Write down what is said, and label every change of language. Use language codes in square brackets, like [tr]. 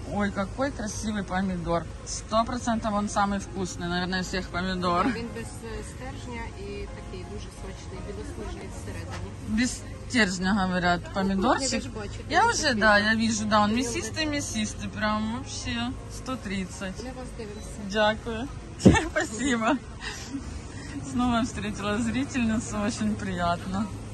[ru] Ой, какой красивый помидор. 100% он самый вкусный, наверное, всех помидор. [uk] Він без стержня і такий дуже сочний, білосніжний всередині. [ru] Без стержня, говорят, помидорчик. Я вже, да, я вижу, да, он місістий-місістий, прям вообще 130. [uk] Ми вас дивимося. Дякую. Спасибо. [ru] Знову встретила зрительницу, очень приятно.